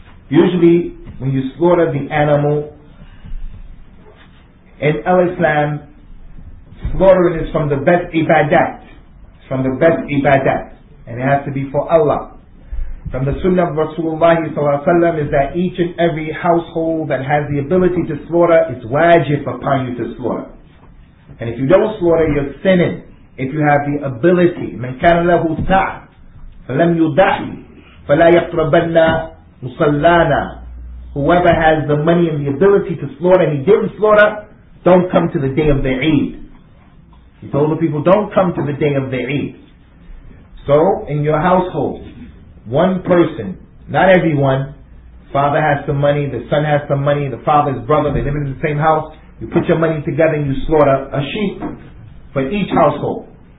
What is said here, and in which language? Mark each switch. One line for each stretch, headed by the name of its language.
English: Usually, when you slaughter the animal, in al-Islam, slaughtering is from the best ibadat. It's from the best ibadat. And it has to be for Allah. From the sunnah of Rasulullah sallallahu alaihi wasallam is that each and every household that has the ability to slaughter is wajib upon you to slaughter. And if you don't slaughter, you're sinning. If you have the ability,
Arabic: من كان له سعة فلم يدعي فلا يقربن مصلانا.
English: Whoever has the money and the ability to slaughter and he didn't slaughter, don't come to the day of the Eid. He told the people, don't come to the day of the Eid. So, in your household, one person, not everyone, father has some money, the son has some money, the father's brother, they live in the same house, you put your money together and you slaughter a sheep for each household.